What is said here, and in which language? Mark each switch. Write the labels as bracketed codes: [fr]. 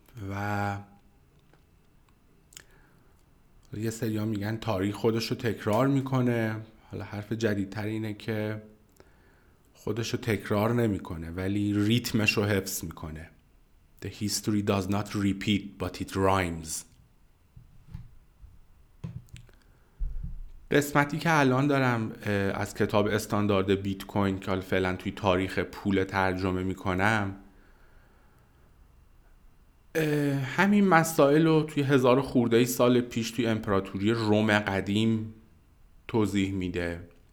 [fa] و یه سری ها میگن تاریخ خودشو تکرار میکنه، حالا حرف جدیدتر اینه که خودشو تکرار نمیکنه ولی ریتمشو حفظ میکنه. [en] The history does not repeat but it rhymes. [fa] قسمتی که الان دارم از کتاب استاندارد بیت کوین که فعلا توی تاریخ پول ترجمه میکنم، همین مسائل رو توی 1000 خورده سال پیش توی امپراتوری روم قدیم توضیح میده.